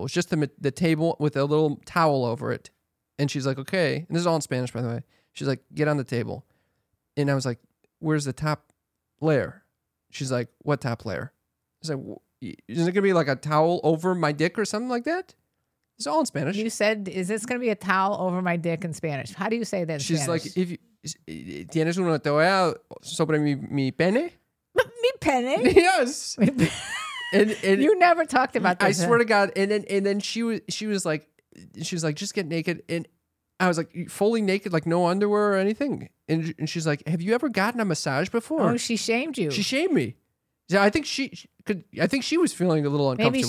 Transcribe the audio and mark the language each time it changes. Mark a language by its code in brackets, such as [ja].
[en] It was just the table with a little towel over it. And she's like, okay. And this is all in Spanish, by the way. She's like, get on the table. And I was like, where's the top layer? She's like, what top layer? I was like, is it going to be like a towel over my dick or something like that? It's all in Spanish. You said, is this going to be a towel over my dick in Spanish? How do you say that in She's Spanish? Like, if you, [es] ¿tienes una toalla sobre mi pene? Mi pene? [en] Yes. And you never talked about this. I swear to God. And then she was like, just get naked. And I was like, fully naked, like no underwear or anything. And she's like, have you ever gotten a massage before? Oh, she shamed you. She shamed me. Yeah, I think she was feeling a little uncomfortable.